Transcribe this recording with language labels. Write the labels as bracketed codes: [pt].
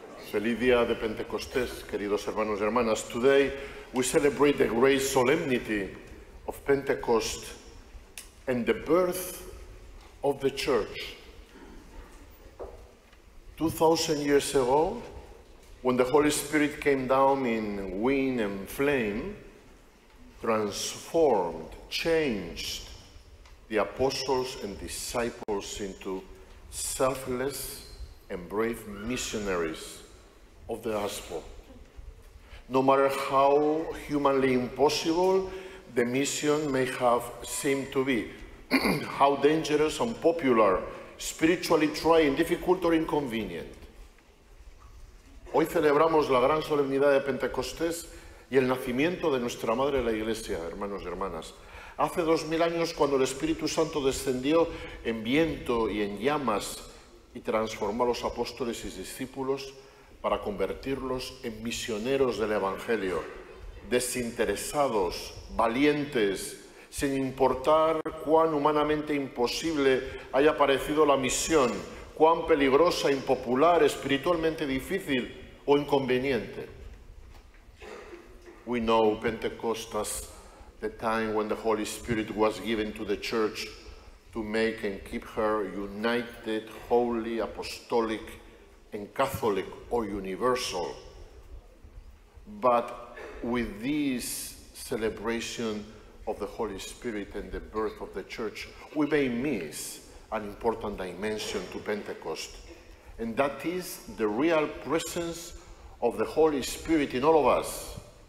[es] Feliz día de Pentecostés, queridos hermanos y hermanas. [en] Today we celebrate the great solemnity of Pentecost and the birth of the church. 2,000 years ago, when the Holy Spirit came down in wind and flame, transformed, changed the apostles and disciples into selfless and brave missionaries of the gospel. No matter how humanly impossible the mission may have seemed to be, how dangerous, unpopular, spiritually trying, difficult or inconvenient. [es] Hoy celebramos la gran solemnidad de Pentecostés y el nacimiento de nuestra madre la Iglesia, hermanos y hermanas. Hace 2000 años, cuando el Espíritu Santo descendió en viento y en llamas y transformó a los apóstoles y discípulos para convertirlos en misioneros del Evangelio, desinteresados, valientes, sin importar cuán humanamente imposible haya parecido la misión, cuán peligrosa, impopular, espiritualmente difícil o inconveniente. [en] We know Pentecostas the time when the Holy Spirit was given to the church to make and keep her united, holy, apostolic, and Catholic, or universal. But with this celebration of the Holy Spirit and the birth of the church, we may miss an important dimension to Pentecost, and that is the real presence of the Holy Spirit in all of us.